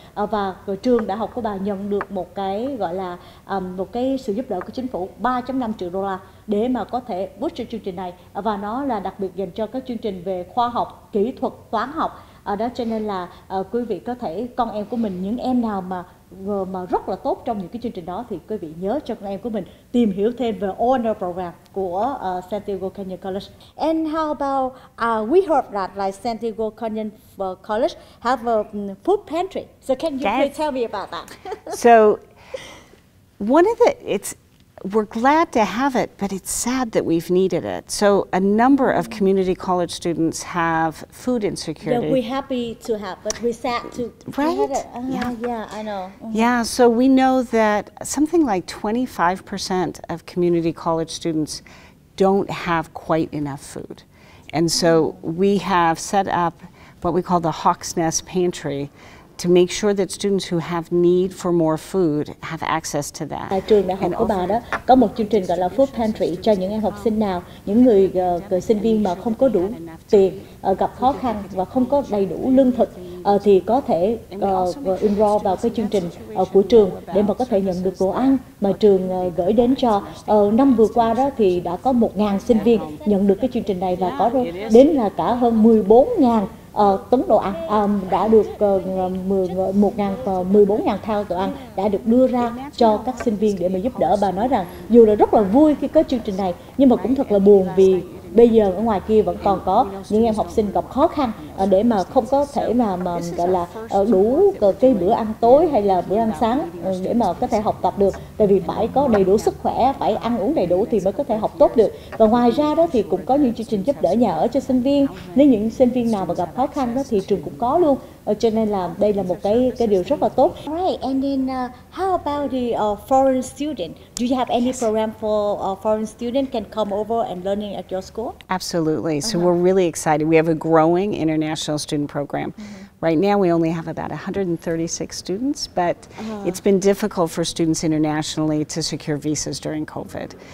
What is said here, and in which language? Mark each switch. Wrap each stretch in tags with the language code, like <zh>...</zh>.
<vi>Và trường đại học của bà nhận được một cái gọi là một cái sự giúp đỡ của chính phủ 3.5 triệu đô la để mà có thể boost cho chương trình này, và nó là đặc biệt dành cho các chương trình về khoa học, kỹ thuật, toán học. Đó, cho nên là quý vị có thể, con em của mình, những em nào mà rất là tốt trong những cái chương trình đó, thì quý vị nhớ cho con em của mình tìm hiểu thêm về honor program của Santiago Canyon College.</vi> <en>And how about we heard that like Santiago Canyon College have a food pantry, so can you please tell me about that? So one of the we're glad to have it, but it's sad that we've needed it. So a number of community college students have food insecurity. Yeah, we're happy to have, but we're sad to have it. Yeah, I know. Yeah, so we know that something like 25% of community college students don't have quite enough food. And so we have set up what we call the Hawk's Nest Pantry to make sure that students who have need for more food have access to that.</en> <vi>Tại trường đại học của bà đó, có một chương trình gọi là food pantry cho những em học sinh nào, những người sinh viên mà không có đủ tiền, gặp khó khăn và không có đầy đủ lương thực thì có thể enroll vào cái chương trình của trường để mà có thể nhận được đồ ăn mà trường gửi đến cho. Năm vừa qua đó thì đã có 1.000 sinh viên nhận được cái chương trình này và có đến là cả hơn 14.000 tấn đồ ăn đã được 14.000 thao đồ ăn đã được đưa ra cho các sinh viên để mà giúp đỡ. Bà nói rằng dù là rất là vui khi có chương trình này nhưng mà cũng thật là buồn vì bây giờ ở ngoài kia vẫn còn có những em học sinh gặp khó khăn để mà không có thể mà gọi là đủ cái bữa ăn tối hay là bữa ăn sáng để mà có thể học tập được. Tại vì phải có đầy đủ sức khỏe, phải ăn uống đầy đủ thì mới có thể học tốt được. Và ngoài ra đó thì cũng có những chương trình giúp đỡ nhà ở cho sinh viên. Nếu những sinh viên nào mà gặp khó khăn đó thì trường cũng có luôn. Cho nên là đây là một cái điều rất là tốt.</vi> <en>Right, and then how about the foreign student? Do you have any program for foreign student can come over and learning at your school? Absolutely. So we're really excited. We have a growing international student program. Right now we only have about 136 students, but it's been difficult for students internationally to secure visas during COVID.</en>